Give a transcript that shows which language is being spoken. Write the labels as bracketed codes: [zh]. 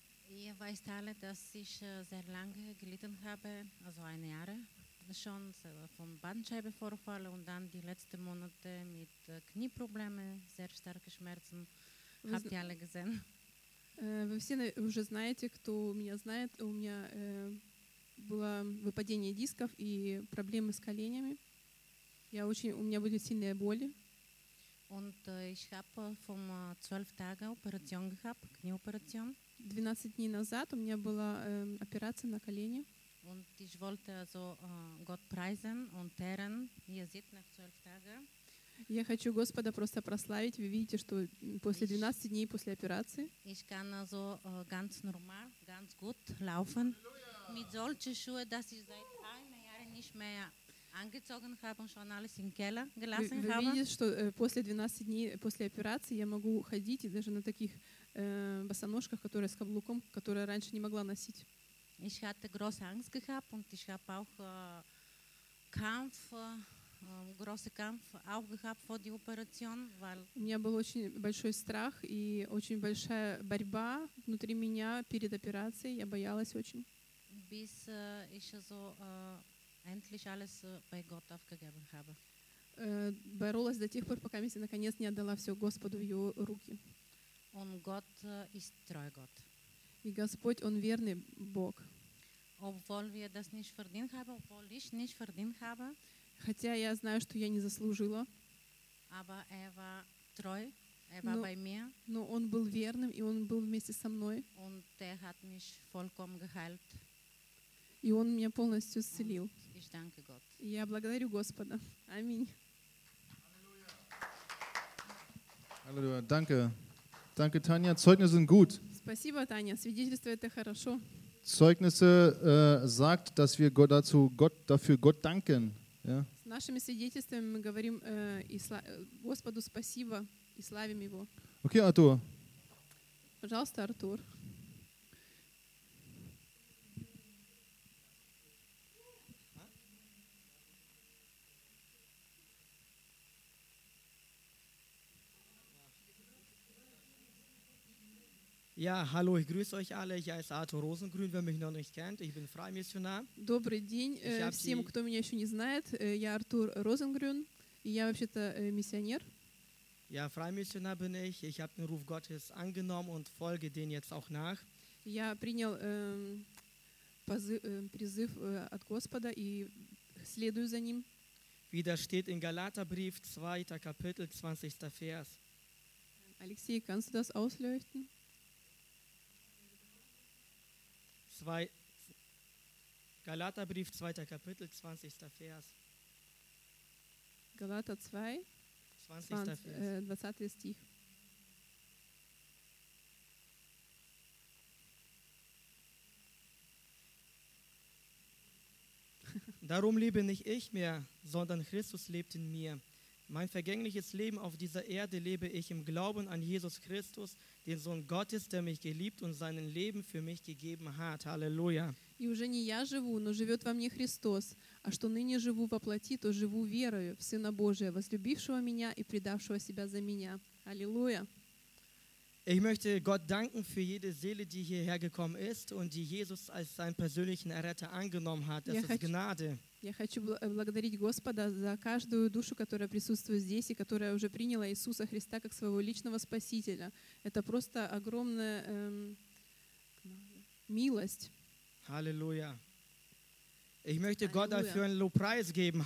[de] Ihr weißt alle, dass ich sehr lange gelitten habe, also ein Jahr schon vom Bandscheibenvorfall und dann die letzten Monate mit Knieproblemen, sehr starke Schmerzen. Habt ihr alle gesehen? [ru] Вы все уже знаете, кто меня знает, у меня было выпадение дисков и проблемы с коленями. У меня были сильные боли. [de] Und ich habe vom 12 Tage Operation gehabt, Knieoperation. [ru] 12 дней назад у меня была операция на колене. [de] Und ich wollte also Gott preisen und ehren. Ihr seht nach 12 Tagen. [ru] Я хочу Господа просто прославить. Вы видите, что после 12 дней после операции. [de] Ich kann also ganz normal, ganz gut laufen. Halleluja. Mit solchen Schuhen, dass ich seit einem Jahr nicht mehr angezogen habe und schon alles im Keller gelassen habe. [ru] Вы видите, что после 12 дней после операции я могу ходить и даже на таких босоножках, которые с каблуком, которые раньше не могла носить. [de] Ich hatte große Angst gehabt und ich habe auch Kampf, große Kampf auch gehabt vor der Operation, weil [ru] у меня был очень большой страх и очень большая борьба внутри меня перед операцией. Я боялась очень. [de] Bis ich also endlich alles bei Gott aufgegeben habe. [ru] Боролась до тех пор, пока я наконец не отдала все Господу в его руки. [de] Und Gott ist treu Gott. [ru] И Господь, Он верный Бог. [de] Obwohl wir das nicht verdient haben, obwohl ich nicht verdient habe. [ru] Хотя я знаю, что я не заслужила. [de] Aber er war treu, er war bei mir. [ru] Но Он был верным, и Он был вместе со мной. [de] Und er hat mich vollkommen geheilt. [ru] И Он меня полностью исцелил. [de] Und ich danke Gott. [ru] Я благодарю Господа. Аминь. [de] Аллилуйя. Danke. Danke, Tanja. Zeugnisse sind gut. [ru] Спасибо, Таня. Свидетельство это хорошо. [de] Zeugnisse sagt, dass wir dafür Gott danken. Ja. [ru] С нашими свидетельствами мы говорим Господу спасибо и славим его. Okay, Артур. Пожалуйста, Артур. [de] Ja, hallo, ich grüße euch alle. Ich heiße Arthur Rosengrün, wer mich noch nicht kennt. Ich bin Freimissionar. [ru] Добрый день всем, кто меня еще не знает. Я Артур Розенгрюн, и я вообще-то миссионер. [de] Ja, Freimissionar bin ich. Ich habe den Ruf Gottes angenommen und folge den jetzt auch nach. [ru] Я принял призыв от Господа и следую за ним. [de] Wie das steht in Galaterbrief, 2. Kapitel, 20. Vers. Алексей, kannst du das ausleuchten? 2. Galaterbrief, 2. Kapitel, 20. Vers. Galater 2, 20. Vers. 20. Stich. Darum lebe nicht ich mehr, sondern Christus lebt in mir. Mein vergängliches Leben auf dieser Erde lebe ich im Glauben an Jesus Christus, den Sohn Gottes, der mich geliebt und sein Leben für mich gegeben hat. Halleluja. [ru] И уже не я живу, но живет во мне Христос, а что ныне живу во плоти, то живу верою в Сына Божия, возлюбившего меня и предавшего себя за меня. [de] Halleluja. Ich möchte Gott danken für jede Seele, die hierher gekommen ist und die Jesus als seinen persönlichen Erretter angenommen hat. Das ist Gnade. [ru] Я хочу благодарить Господа за каждую душу, которая присутствует здесь и которая уже приняла Иисуса Христа как своего личного спасителя. Это просто огромная милость. [de] Halleluja. Ich möchte Gott dafür einen Lobpreis geben.